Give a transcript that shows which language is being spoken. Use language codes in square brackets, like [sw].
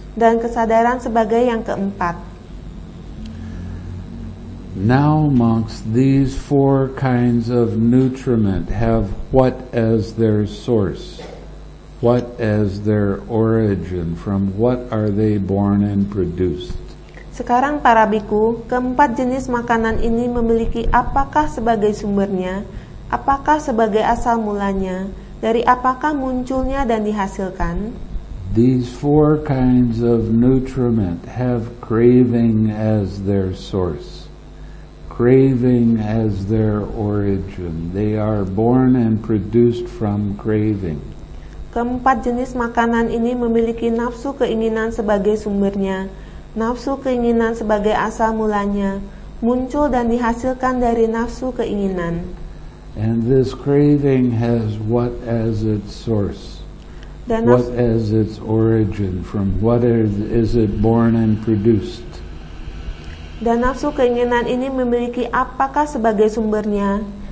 [id] Dan kesadaran sebagai yang keempat. [en] Now, monks, these four kinds of nutriment have what as their source? What as their origin? From what are they born and produced? [id] Sekarang, para bhikkhu, keempat jenis makanan ini memiliki apakah sebagai sumbernya, apakah sebagai asal mulanya, dari apakah munculnya dan dihasilkan? [en] These four kinds of nutriment have craving as their source. Craving as their origin. They are born and produced from craving. [id] Keempat jenis makanan ini memiliki nafsu keinginan sebagai sumbernya, nafsu keinginan sebagai asal mulanya, muncul dan dihasilkan dari nafsu keinginan. [en] And this craving has what as its source? What as its origin? From what is it born and produced? [id] Dan nafsu keinginan ini memiliki apakah sebagai sumbernya?